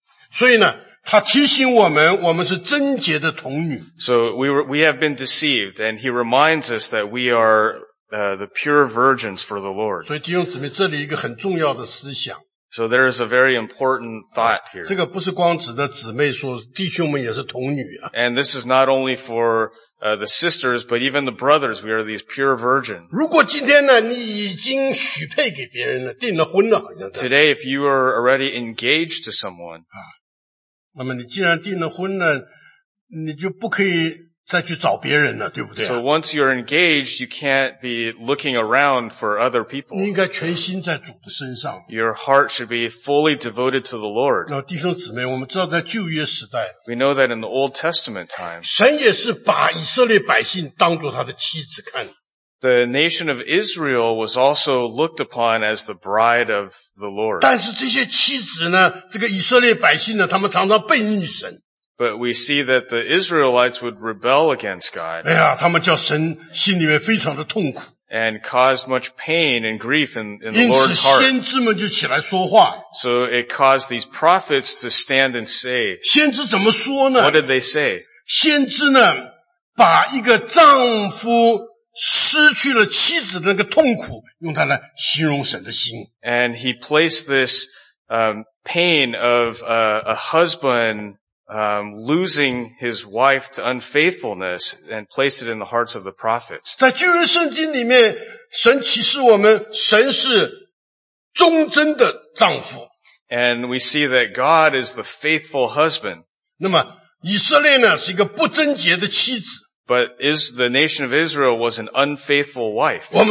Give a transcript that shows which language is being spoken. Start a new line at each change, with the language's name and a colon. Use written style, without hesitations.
Chinese: 所以呢，他提醒我们，我们是贞洁的童女。
English: So we have been deceived, and he reminds us that we are the pure virgins for the Lord.
Chinese: 所以弟兄姊妹，这里一个很重要的思想。
English: So there is a very important thought here.
Chinese: 这个不是光指的姊妹说弟兄们也是童女啊。
English: And this is not only for the sisters, but even the brothers. We are these pure virgins.
Chinese: 如果今天呢，你已经许配给别人了，订了婚了，好像在。
English: Today, if you are already engaged to someone.
Chinese: 啊，那么你既然订了婚了，你就不可以再去找别人了，对不对、啊、
English: ？So once you're engaged, you can't be looking around for other people.
Chinese: 你应该全心在主的身上。
English: Your heart should be fully devoted to the Lord.
Chinese: 那弟兄姊妹，我们知道在旧约时代
English: ，We know that in the Old Testament time,
Chinese: 神也是把以色列百姓当作他的妻子看。
English: The nation of Israel was also looked upon as the bride of the Lord.
Chinese: 但是这些妻子呢，这个以色列百姓呢，他们常常背逆神。
English: But we see that the Israelites would rebel against God.
Chinese: 哎呀，他们叫神心里面非常的痛苦。
English: and caused much pain and grief in the Lord's heart.
Chinese: 先知们就起来说话。
English: So it caused these prophets to stand and say,
Chinese: 先知怎么说呢?
English: What did they say?
Chinese: 先知呢, 把一个丈夫 失去了妻子的那个痛苦,
English: and he placed this pain of a husband losing his wife to unfaithfulness and placed it in the hearts of the prophets.
Chinese: 在旧约圣经里面, 神启示我们, 神是忠贞的丈夫。
English: And we see that God is the faithful husband.
Chinese: 那么以色列呢, 是一个不贞洁的妻子。
English: But is the nation of Israel was an unfaithful wife.